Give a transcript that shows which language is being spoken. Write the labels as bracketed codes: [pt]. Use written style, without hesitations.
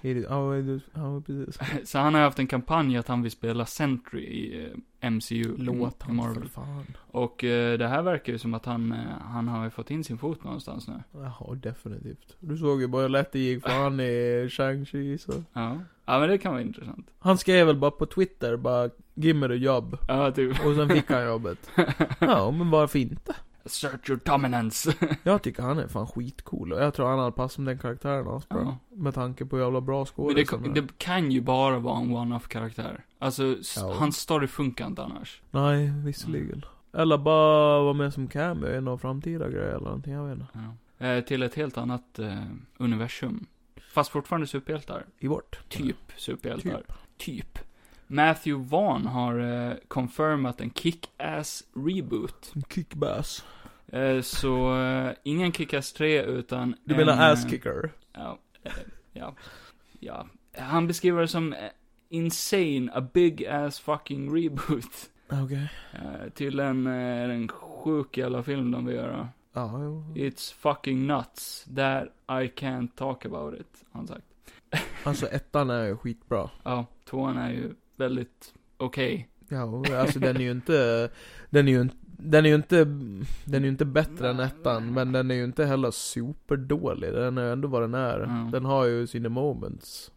[en] How is this? [sv] Så han har haft en kampanj att han vill spela Sentry i MCU. Låt han Marvel. För fan. Och det här verkar ju som att han har fått in sin fot någonstans nu. Ja, definitivt. Du såg ju bara lätt det gick för han i Shang-Chi. Så. Ja. Ja, men det kan vara intressant. Han skrev väl bara på Twitter, bara [en] give me the job. [sv] Ja, typ. Och sen fick han jobbet. Ja, men varför inte? [en] Assert your dominance. [sv] Jag tycker han är fan skitcool. Och jag tror han har passat med den karaktären alltså, bra. Med tanke på jävla bra skådespelare. Men det kan ju bara vara en one-off-karaktär. Alltså, hans story funkar inte annars. Nej, visserligen. Eller bara vara med som cameo i någon framtida grej eller någonting, jag vet inte. Ja. Till ett helt annat universum. Fast fortfarande superhjältar. I vårt. Typ superhjältar. Typ. Matthew Vaughn har confirmat en kick-ass reboot. En kick-bass. Så ingen kick-ass 3 utan... Du menar ass-kicker? Ja. Han beskriver det som insane, [en] a big-ass fucking reboot. [sv] Okej. Okay. Till en sjuk jävla film de vill göra. [en] It's fucking nuts that I can't talk about it, [sv] han sagt. Alltså, ettan är ju skitbra. Ja, tvåan är ju väldigt okej. Ja, alltså den är ju inte bättre än ettan, men den är ju inte heller superdålig. Den är ändå vad den är. Mm. Den har ju sina moments.